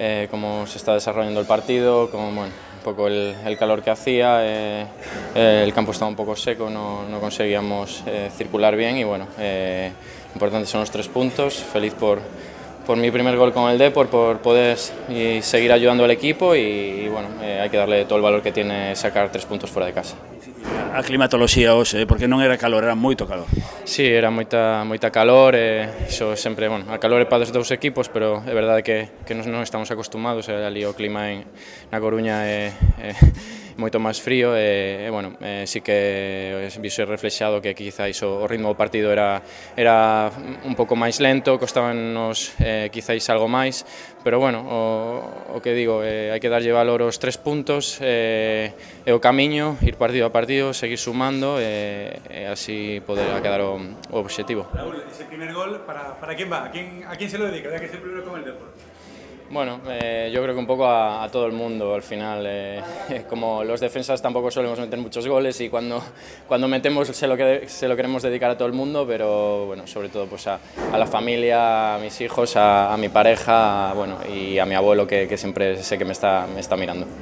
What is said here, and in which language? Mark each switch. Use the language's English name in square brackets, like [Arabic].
[Spanish] Cómo se está desarrollando el partido, cómo, bueno, un poco el calor que hacía, el campo estaba un poco seco, no conseguíamos circular bien y bueno, importantes son los 3 puntos, feliz por mi primer gol con el Depor, por poder y seguir ayudando al equipo y bueno, hay que darle todo el valor que tiene sacar 3 puntos fuera de casa. [Galician] A climatoloxía hoxe, porque non era calor, era moito calor. Sí, era moita calor, iso sempre, bueno, a calor é para os dous equipos, pero é verdade que non estamos acostumados, ali o clima na Coruña é moito máis frío, bueno, sí que viso reflexado que quizá iso, o ritmo do partido era un pouco máis lento, costábanos quizá iso algo máis, pero bueno, o que digo, hai que darlle valor aos 3 puntos, é o camiño, ir partido a partido, seguir sumando, así poder quedar o objetivo. [Spanish] Raúl, ese primer gol, para quen va? A quen se lo dedica? Ya que es el primero con el Depor. Bueno, yo creo que un poco a todo el mundo al final, como los defensas tampoco solemos meter muchos goles y cuando metemos se lo queremos dedicar a todo el mundo, pero bueno, sobre todo pues a la familia, a mis hijos, a mi pareja, bueno, y a mi abuelo que siempre sé que me está mirando.